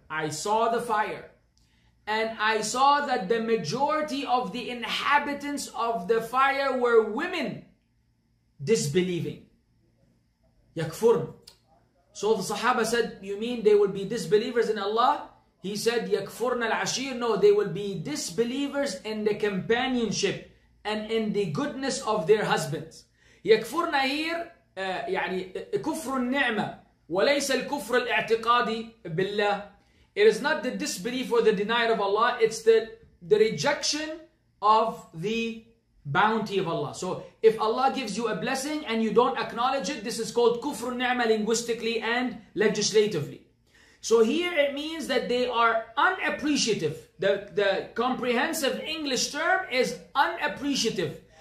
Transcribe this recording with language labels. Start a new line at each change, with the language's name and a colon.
English: I saw the fire. And I saw that the majority of the inhabitants of the fire were women disbelieving. Yakfurn. So the Sahaba said, you mean they will be disbelievers in Allah? He said, Yakfurn al-Ashir. No, they will be disbelievers in the companionship and in the goodness of their husbands. Yakfurn ahir.
Arabic: يعني كفر النعمة وليس الكفر الاعتقادي بالله.
English: It is not the disbelief or the denial of Allah. It's the rejection of the bounty of Allah. So if Allah gives you a blessing and you don't acknowledge it, this is called
Arabic: كفر النعمة
English: linguistically and legislatively. So here it means that they are unappreciative. The comprehensive English term is unappreciative.